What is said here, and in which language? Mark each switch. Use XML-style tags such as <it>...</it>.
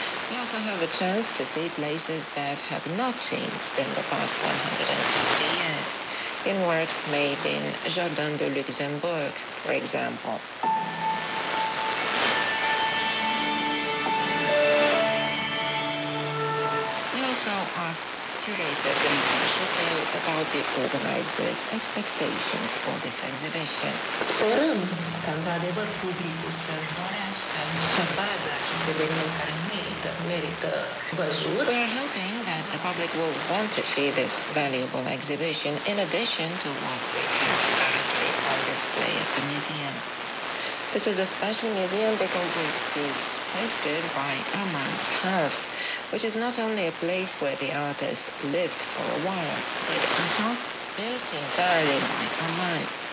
<en>We also have a chance to see places that have not changed in the past 150 years, in works made in Jardin de Luxembourg, for example. We also asked curator Dimitri Chappelle about the organizers' expectations for this exhibition.</en> <ro>Sperăm că, într-adevăr, publicul să-și dorească să vadă acest eveniment care merită văzut.</ro> <en>We are hoping that the public will want to see this valuable exhibition in addition to what we have currently on display at the museum. This is a special museum because it is hosted by Amal's house, which is not only a place where the artist lived for a while, but a house built entirely by Amal.</en>